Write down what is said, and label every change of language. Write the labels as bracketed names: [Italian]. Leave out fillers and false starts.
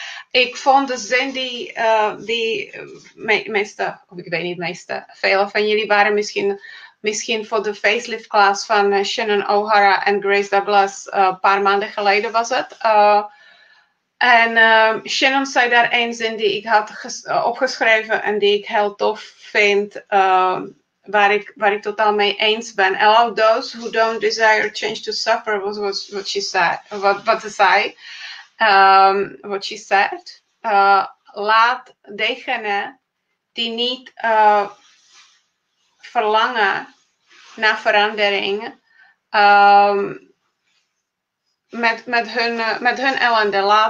[Dutch] Ik vond de zin die velen van jullie waren misschien voor de facelift class van Shannon O'Hara en Grace Douglas, een paar maanden geleden was het. En Shannon zei daar een zin die ik had opgeschreven en die ik heel tof vind, waar ik totaal mee eens ben. [English] Allow those who don't desire change to suffer, was what she said. [Dutch] Laat degene die niet verlangen naar verandering met hun ellende.